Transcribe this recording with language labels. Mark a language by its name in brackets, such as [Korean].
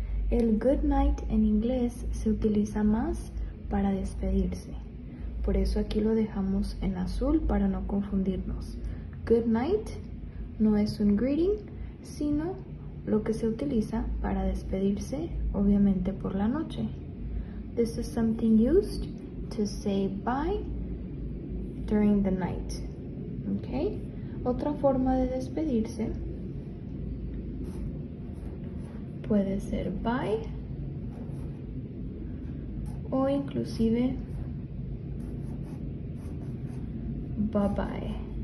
[Spanish] El good night en inglés se utiliza más para despedirse. Por eso aquí lo dejamos en azul para no confundirnos. Good night no es un greeting, sino lo que se utiliza para despedirse, obviamente por la noche. [English] This is something used to say bye during the night. Okay? [Spanish] Otra forma de despedirse puede ser bye o inclusive bye bye.